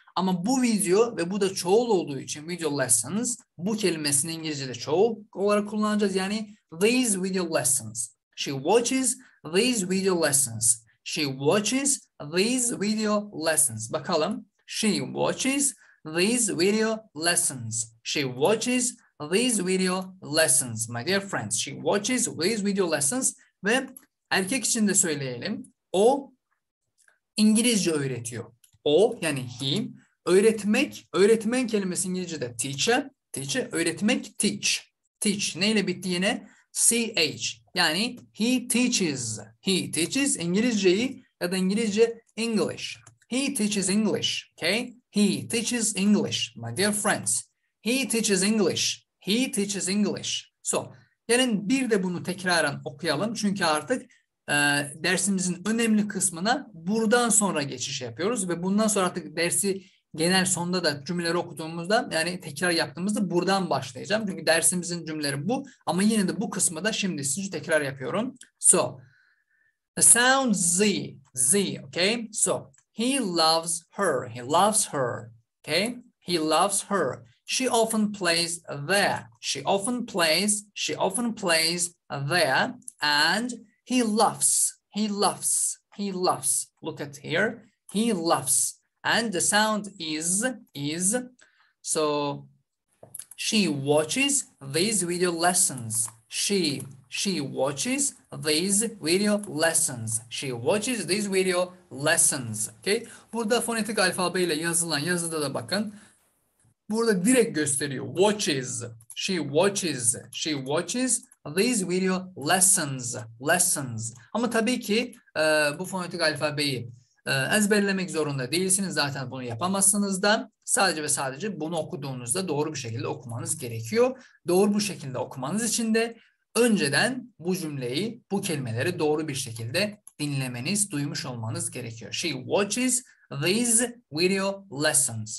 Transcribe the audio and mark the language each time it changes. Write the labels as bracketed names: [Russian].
[Turkish] ama bu video ve bu da çoğul olduğu için [English] video lessons [Turkish] bu kelimesini İngilizce'de çoğul olarak kullanacağız yani [English] these video lessons she watches these video lessons she watches these video lessons [Turkish] bakalım [English] she watches these video lessons. She watches these video lessons. My dear friends, she watches these video lessons. [Turkish] Ve erkek için de söyleyelim. O İngilizce öğretiyor. O yani he öğretmek, öğretmen kelimesi İngilizce'de teacher, teacher öğretmek teach. Teach neyle bitti yine? CH. Yani [English] he teaches [Turkish] İngilizceyi ya da İngilizce English. [English] He teaches English. Okay? He teaches English, my dear friends. He teaches English. He teaches English. [Turkish] So, gelin bir de bunu tekraren okuyalım. Çünkü artık dersimizin önemli kısmına buradan sonra geçiş yapıyoruz. Ve bundan sonra artık dersi genel sonda da cümleleri okuduğumuzda yani tekrar yaptığımızda buradan başlayacağım. Çünkü dersimizin cümleleri bu. Ama yine de bu kısmı da şimdi sizi tekrar yapıyorum. [English] So, the sound Z. Okay? So, he loves her. He loves her. Okay? He loves her. She often plays there. She often plays. She often plays there. And he laughs. He laughs. He laughs. Look at here. He laughs. And the sound is. So she watches these video lessons. She watches these video lessons. She watches these video lessons. Okay? [Turkish] Burada fonetik alfabe ile yazılan yazıda da bakın. Burada direkt gösteriyor. [English] Watches. She watches. She watches these video lessons. Lessons. [Turkish] Ama tabii ki bu fonetik alfabeyi ezberlemek zorunda değilsiniz. Zaten bunu yapamazsınız da. Sadece ve sadece bunu okuduğunuzda doğru bir şekilde okumanız gerekiyor. Doğru bu şekilde okumanız için de önceden bu cümleyi, bu kelimeleri doğru bir şekilde dinlemeniz, duymuş olmanız gerekiyor. [English] She watches these video lessons.